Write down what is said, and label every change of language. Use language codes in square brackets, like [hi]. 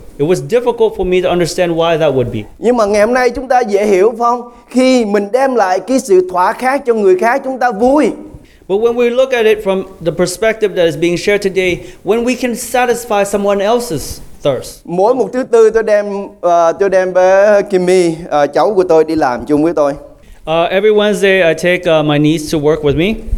[en] It was difficult for me to understand why that would be. [vi] Nhưng mà ngày hôm nay chúng ta dễ hiểu không? Khi mình đem lại cái sự thỏa khát cho người khác, chúng ta vui. [en] But when we look at it from the perspective that is being shared today, when we can satisfy someone else's thirst. [vi] Mỗi một thứ tư tôi đem bé Kimmy, cháu của tôi đi làm chung với tôi. [en] Every Wednesday I take my niece to work with me.